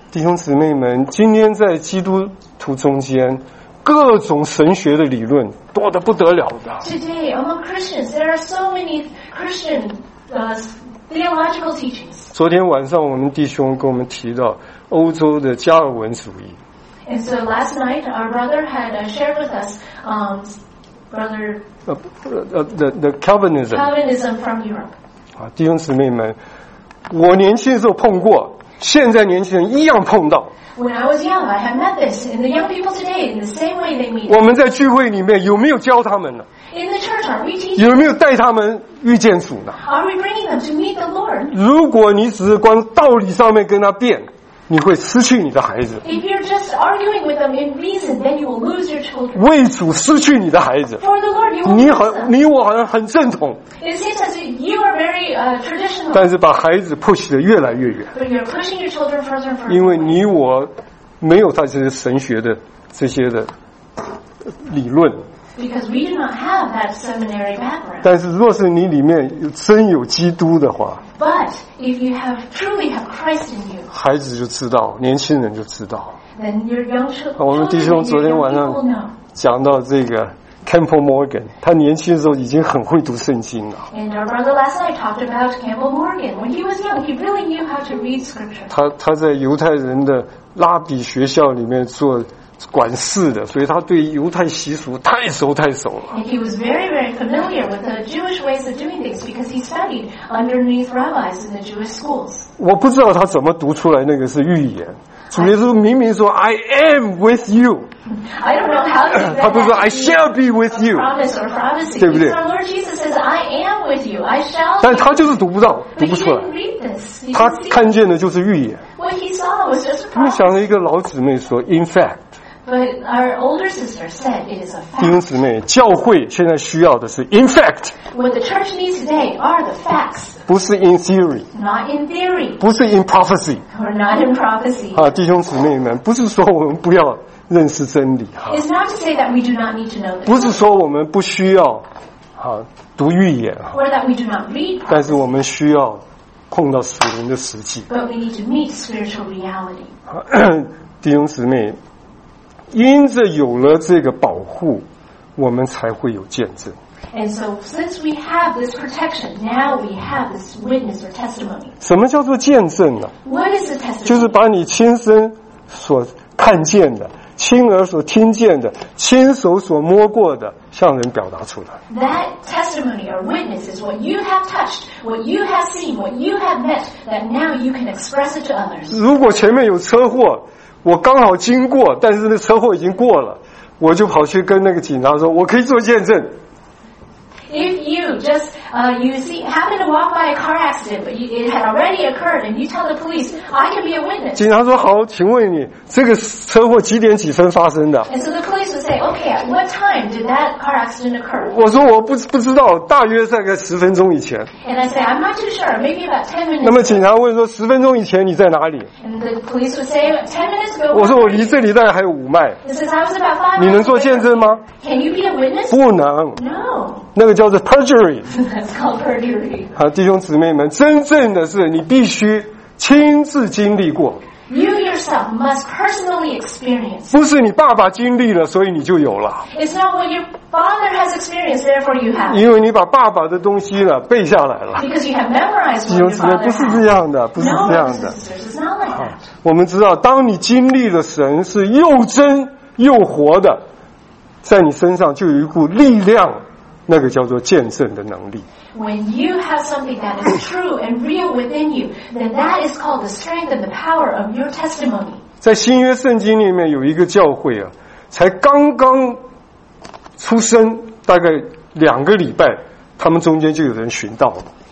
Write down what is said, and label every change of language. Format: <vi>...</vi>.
<zh>弟兄姊妹们，今天在基督徒中间，各种神学的理论多得不得了的。</zh> <en>Today among Christians, there are so many Christian theological teachings.</en> <zh>昨天晚上我们弟兄跟我们提到欧洲的加尔文主义。</zh> <en>And so last night our brother had shared with us, the Calvinism. Calvinism from Europe.</en> <zh>啊，弟兄姊妹们，我年轻的时候碰过，现在年轻人一样碰到。</zh> <en>When I was young, I had met this, and the young people today, in the same way they meet.</en> <zh>我们在聚会里面有没有教他们呢？</zh> <en>In the church, are we teaching?</en> <zh>有没有带他们遇见主呢</zh> <en>？Are we bringing them to meet the Lord?</en> <zh>如果你只是光道理上面跟他辩，你会失去你的孩子。</zh> <en>If you're just arguing with them in reason, then you will lose your children.</en> <zh>为主失去你的孩子。</zh> <en>For the Lord, you.</en> <zh>你我好像很正统。</zh> <en>It seems as you are very traditional.</en> <zh>但是把孩子 push 的越来越远。</zh> <en>But you're pushing your children further and further.</en> <zh>因为你我没有他这些神学的这些的理论。</zh> <en>Because we do not have that seminary background.</en> <zh>但是若是你里面真有基督的话</zh> <en>，But if you have truly have Christ in you，</en> <zh>孩子就知道，年轻人就知道。</zh> <en>Then your young children.</en> <zh>我们弟兄昨天晚上讲到这个 Campbell Morgan， 他年轻的时候已经很会读圣经了。</zh> <en>And our brother last night talked about Campbell Morgan. When he was young, he really knew how to read scripture.</en> <zh>他在犹太人的拉比学校里面做。管事的，所以他对犹太习俗太熟太熟了。</zh> <en>And he was very, very familiar with the Jewish ways of doing things because he studied underneath rabbis in the Jewish schools.</en> <zh>我不知道他怎么读出来那个是预言。主耶稣明明说</zh> <en>I am with you. I don't know how.</en> <zh>他不是说</zh> <en>I shall be with you. Promise or prophecy,</en> <zh>对不对</zh> <en>？Our Lord Jesus says I am with you. I shall.</en> <zh>但他就是读不到，读不出来。他看见的就是预言。</zh> <en>What he saw was just prophecy.</en> <zh>你想一个老姊妹说</zh> <en>In fact. But our older sister said it is a fact.</en> <zh>弟兄姊妹，教会现在需要的是</zh> <en>in fact. What the church needs today are the facts.</en> <zh>不是</zh> <en>in theory. Not in theory.</en> <zh>不是</zh> <en>in prophecy. Or not in prophecy.</en> <zh>啊，弟兄姊妹们，不是说我们不要认识真理哈。</zh> <en>It's not to say that we do not need to know.</en> <zh>不是说我们不需要啊读预言哈。</zh> <en>Or that we do not read prophecy.</en> <zh>但是我们需要碰到属灵的实际。</zh> <en>But we need to meet spiritual reality.</en> <zh>弟兄姊妹。因着有了这个保护，我们才会有见证。</zh> <en>And so, since we have this protection, now we have this witness or testimony.</en> <zh>什么叫做见证呢</zh> <en>？What is the testimony?</en> <zh>就是把你亲身所看见的、亲耳所听见的、亲手所摸过的，向人表达出来。</zh> <en>That testimony or witness is what you have touched, what you have seen, what you have met, that now you can express it to others.</en> <zh>如果前面有车祸。我刚好经过，但是那车祸已经过了，我就跑去跟那个警察说，我可以做见证。</zh> <en>If you just you see happen to walk by a car accident, but it had already occurred, and you tell the police, I can be a witness.</en> <zh>警察说好，请问你这个车祸几点几分发生的</zh> <en>？And so the police would say, okay, at what time did that car accident occur?</en> <zh>我说我不知道，大约在个十分钟以前。</zh> <en>And I say, I'm not too sure, maybe about 10 minutes.</en> <zh>那么警察问说，十分钟以前你在哪里</zh> <en>？And the police would say, 10 minutes ago.</en> <zh>我说我离这里大概还有5迈。</zh> <en>He says, I was about 5 miles.</en> <zh>你能做见证吗</zh> <en>？Can you be a witness?</en> <zh>不能。</zh> <en>No.</en> <zh>那个叫做 perjury。</zh> <en>That's called</en> <zh>perjury. 弟兄姊妹们，真正的是你必须亲自经历过。</zh> <en>You yourself must personally experience.</en> <zh>不是你爸爸经历了，所以你就有了。</zh> <en>It's not what your father has experienced, therefore you have.</en> <zh>因为你把爸爸的东西呢背下来了。</zh> <en>Because you have memorized what your father.</en> <zh>弟兄姊妹，不是这样的，不是这样的。</zh> <en>No, it's not like that.</en> <zh>我们知道，当你经历了神是又真又活的，在你身上就有一股力量。那个叫做见证的能力。</zh> <en>When you have something that is true and real within you, then that is called the strength and the power of your testimony.</en> <zh>在新约圣经里面有一个教会啊，才刚刚出生大概两个礼拜，他们中间就有人寻道了。</zh>